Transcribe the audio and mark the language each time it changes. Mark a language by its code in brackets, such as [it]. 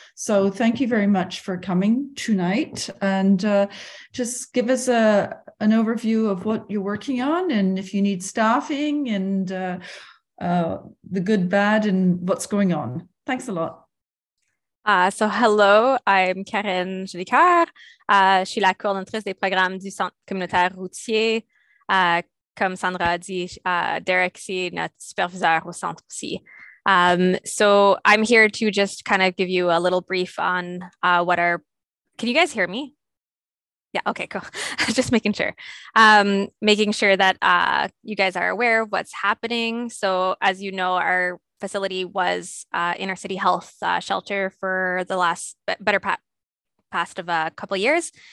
[en] So thank you very much for coming tonight. And just give us an overview of what you're working on and if you need staffing and the good, bad, and what's going on. Thanks a lot. So hello, I'm Karine Jolicoeur. [fr] Je suis la coordonnatrice des programmes du Centre communautaire routier. Comme Sandra a dit, Derek est notre superviseur au centre aussi. [en] So I'm here to just kind of give you a little brief on can you guys hear me? Yeah, okay, cool. Just making sure. Making sure that you guys are aware of what's happening. So as you know, our facility was inner city health shelter for the last past of a couple of years.